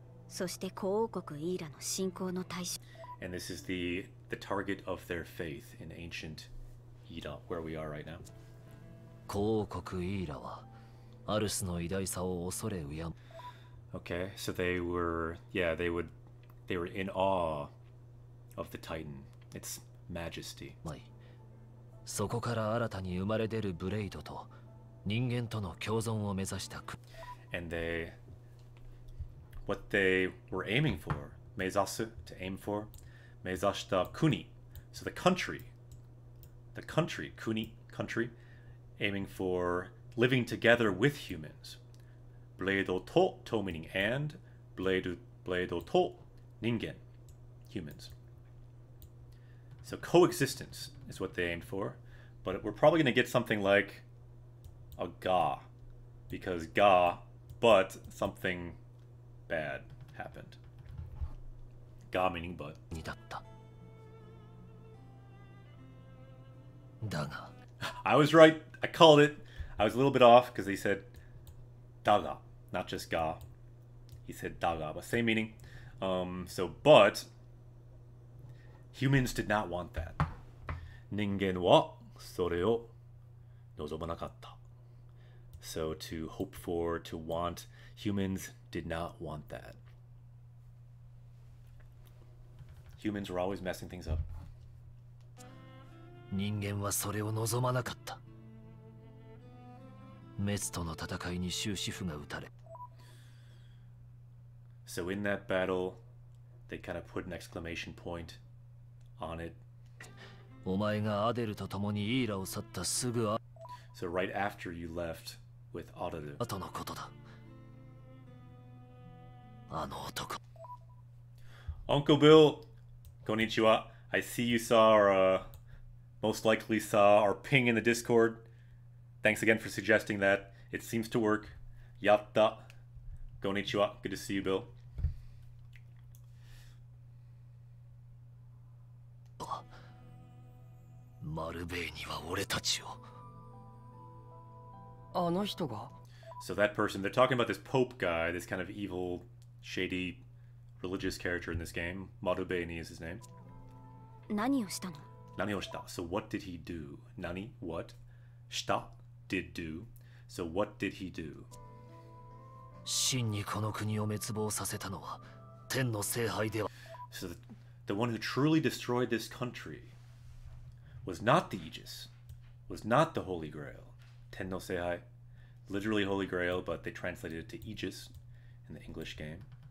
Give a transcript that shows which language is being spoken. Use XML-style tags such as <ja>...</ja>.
<ja>そして皇王国イーラの信仰の対象。</ja> <en>And this is the target of their faith in ancient Ira, where we are right now.</en> <ja>皇王国イーラはアルスの偉大さを恐れ敬う。</ja> <en>Okay, so they were, yeah, they were in awe of the Titan, its majesty.</en> <ja>そこから新たに生まれ出るブレイドと人間との共存を目指した。</ja> <en>And they, what they were aiming for, mezasu, to aim for,</en> <ja>mezashita kuni,</ja> <en>so the country, kuni, country, aiming for living together with humans. ブレイドと、と meaning and, ブレイドと、人間、humans. So coexistence is what they aimed for, but we're probably going to get something like a ga, because ga, but something bad happened. Ga meaning but. にだった。</en> <ja>だが。</ja> <en>I was right, I called it. I was a little bit off because they said だが。 Not just ga. He said daga, but same meaning. But humans did not want that.</en> <ja>人間はそれを望まなかった。</ja> <en>So to hope for, to want, humans did not want that. Humans were always messing things up.</en> <ja>人間はそれを望まなかった。メツとの戦いに終止符が打たれ。</ja> <en>So in that battle, they kind of put an exclamation point on it.</en> <ja>お前がアデルと共にイーラを去ったすぐ</ja> <en>So right after you left with Adelu.</en> <ja>後のことだ。あの男。</ja> <en>Uncle Bill, konnichiwa. I see you saw our, most likely saw our ping in the Discord. Thanks again for suggesting that. It seems to work. Yatta. Konnichiwa. Good to see you, Bill.</en> <ja>マルベイには俺たちをあの人が</ja> <en>So that person, they're talking about this Pope guy, this kind of evil, shady, religious character in this game. マルベイニ is his name.</en> <ja>何をしたの何をした</ja> <en>So what did he do? 何 What? した Did do. So what did he do? 真にこの国を滅亡させたのは天の聖杯では So the one who truly destroyed this countryWas not the Aegis, was not the Holy Grail.</en> <ja>Ten no Seihai,</ja> <en>literally Holy Grail, but they translated it to Aegis in the English game.</en>